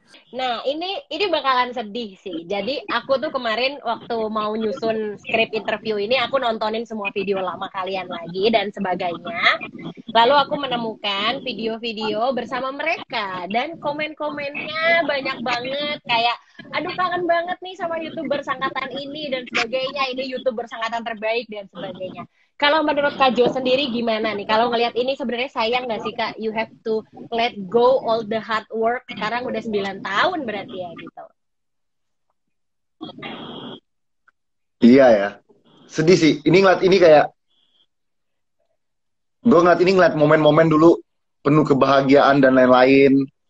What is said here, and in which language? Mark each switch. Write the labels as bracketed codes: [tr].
[id] Nah, ini bakalan sedih sih, jadi aku tuh kemarin waktu mau nyusun script interview ini, aku nontonin semua video lama kalian lagi dan sebagainya, lalu aku menemukan video-video bersama mereka, dan komen-komennya banyak banget, kayak, aduh kangen banget nih sama YouTuber sangkatan ini dan sebagainya, ini YouTuber sangkatan terbaik dan sebagainya. Kalau menurut Kak Jo sendiri gimana nih? Kalau ngelihat ini sebenarnya sayang gak sih Kak? [en] You have to let go all the hard work. [id] Sekarang udah 9 tahun berarti ya gitu. Iya ya. Sedih sih. Ini ngeliat ini kayak, gue ngeliat ini ngeliat momen-momen dulu penuh kebahagiaan dan lain-lain.